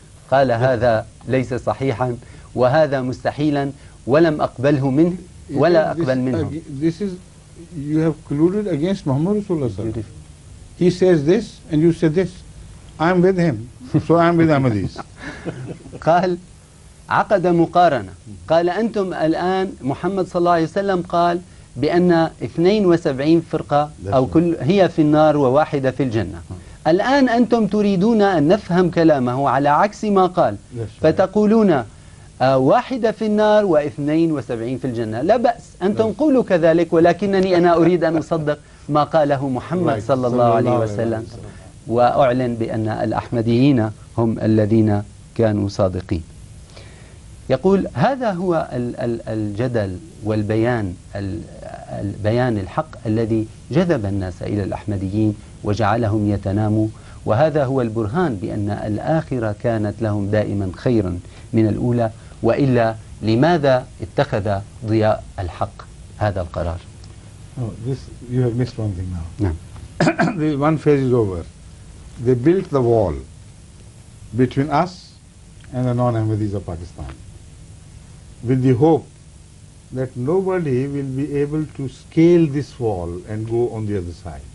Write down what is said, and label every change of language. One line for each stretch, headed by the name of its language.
Arabic: قال هذا ليس صحيحا وهذا مستحيلا ولم أقبله منه ولا أقبل منهم.
English: This is, you have colluded against Muhammad Rasulullah sallallahu alaihi wasallam. He says this and you say this. I'm with him, so I'm with Ahmadis.
Arabic: قال عقد مقارنة، قال أنتم الآن، محمد صلى الله عليه وسلم قال بأن 72 فرقة أو كل هي في النار وواحدة في الجنة، الآن أنتم تريدون أن نفهم كلامه على عكس ما قال، فتقولون واحدة في النار و72 في الجنة. لا بأس أنتم قولوا كذلك، ولكنني أنا أريد أن أصدق ما قاله محمد
English: right.
Arabic: صلى الله عليه وسلم وأعلن بأن الأحمديين هم الذين كانوا صادقين. يقول هذا هو الجدل والبيان البيان الحق الذي جذب الناس إلى الأحمديين وجعلهم يتناموا، وهذا هو البرهان بأن الآخرة كانت لهم دائما خيرا من الأولى، وإلا لماذا اتخذ ضياء الحق هذا القرار؟
English: Oh, this you have missed one thing now. No. The one phase is over. They built the wall between us and the non-Ahmadis of Pakistan with the hope that nobody will be able to scale this wall and go on the other side.